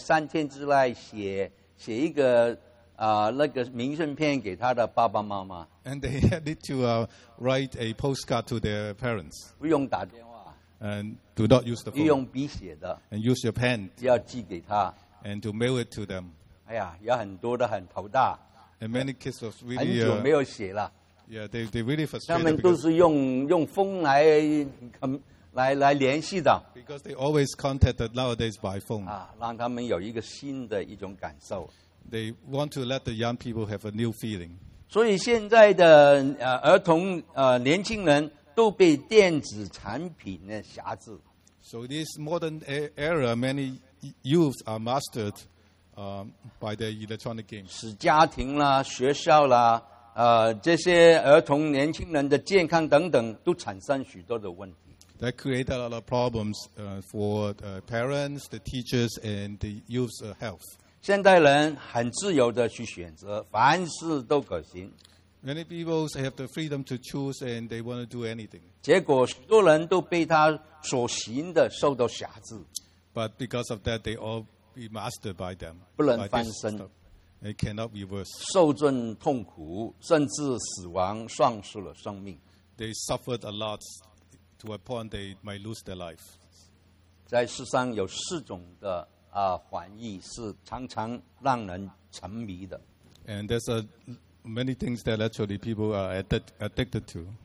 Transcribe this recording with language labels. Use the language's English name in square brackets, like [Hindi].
[Chinese] 他们要他在三天之内写一个 那个明信片给他的爸爸妈妈。 [English] And they need to write a postcard to their parents. [Chinese] 不用打电话。 [English] And do not use the phone. [Chinese] 不用笔写的。 [English] And use your pen. [Chinese] 要寄给他。 [English] And to mail it to them. [Chinese] 哎呀, 有很多的很头大。 [English] And many kids was really [Chinese] 很久没有写了。 [English] Yeah, they really frustrated because they always contacted nowadays by phone. They want to let the young people have a new feeling. [Chinese] 所以现在的, 儿童, 年轻人都被电子产品的辖制。 [English] So this modern era, many youths are mastered by the electronic games. [Chinese] 使家庭啦, 学校啦, 这些儿童年轻人的健康等等都产生许多的问题。 [English] That created a lot of problems for the parents, the teachers, and the youth's health. [Chinese] 现代人很自由的去选择，凡事都可行。 [English] Many people have the freedom to choose and they want to do anything. [Chinese] 结果许多人都被他所行的受到辖制。 [English] But because of that, they all be mastered by them. [Chinese] 不能翻身。 [English] It cannot reverse. [Chinese] 受尽痛苦, 甚至死亡, 丧失了生命。 [English] They suffered a lot to a point they might lose their life. [Chinese] 在世上有四种的, 环境是常常让人沉迷的。 [English] And there's many things that actually people are addicted to.